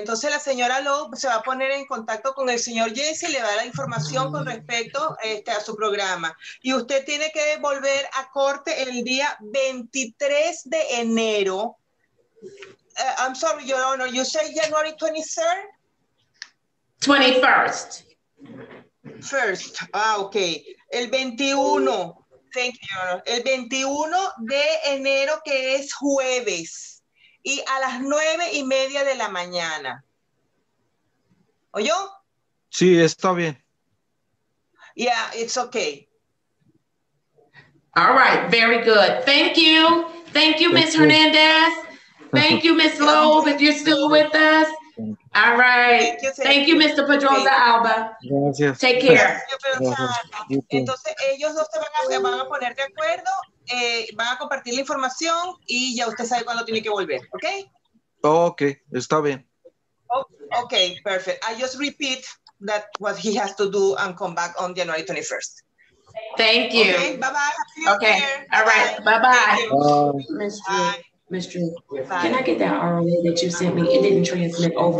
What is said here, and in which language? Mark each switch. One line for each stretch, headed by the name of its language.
Spanish: Entonces la señora Lowe se va a poner en contacto con el señor Jesse y le va a dar la información con respecto a su programa. Y usted tiene que volver a corte el día 23 de enero.
English: I'm sorry, Your Honor, you say January 23rd? 21st. First, okay.
Spanish: El 21,
English: thank you, Your Honor.
Spanish: El 21 de enero, que es jueves, y a las 9:30 de la mañana. ¿Oyó? Sí, está bien.
English: Yeah, it's okay. All right, very good. Thank you. Thank you, Ms. Hernandez. Thank you, Ms. Lowe, if you're still with us. All right. Thank you, Mr. Pedroza Alba.
Spanish: Gracias.
English: Take care.
Spanish: Entonces, ellos dos se van a poner de acuerdo, van a compartir la información y ya usted sabe cuándo tiene que volver, ¿ok? Ok, está bien.
English: Oh, ok, perfect. I just repeat that what he has to do and come back on January 21st. Thank you. Okay, bye-bye. Okay, all right. Bye-bye. Bye. Mr. Can I get that RLA that you sent me? It didn't transmit over.